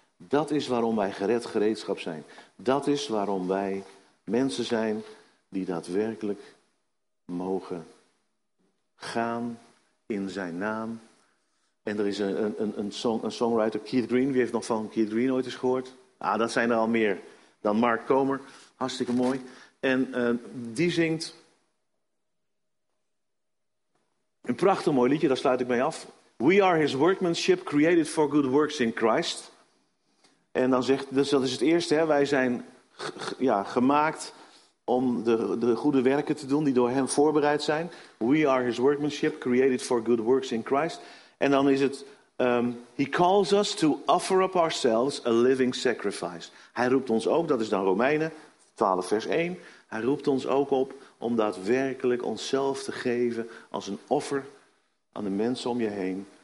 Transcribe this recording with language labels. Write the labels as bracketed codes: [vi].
[nl] Dat is waarom wij gered gereedschap zijn. Dat is waarom wij mensen zijn die daadwerkelijk mogen gaan in zijn naam. En er is een songwriter, Keith Green. Wie heeft nog van Keith Green ooit eens gehoord? Ah, dat zijn er al meer dan Mark Comer. Hartstikke mooi. En die zingt een prachtig mooi liedje, daar sluit ik mee af. [en] We are his workmanship, created for good works in Christ. [nl] En dan zegt, dus dat is het eerste, hè? Wij zijn gemaakt om de goede werken te doen die door hem voorbereid zijn. [en] We are his workmanship, created for good works in Christ. [nl] En dan is het, [en] he calls us to offer up ourselves a living sacrifice. [nl] Hij roept ons ook, dat is dan Romeinen 12 vers 1. Hij roept ons ook op om daadwerkelijk onszelf te geven als een offer aan de mensen om je heen.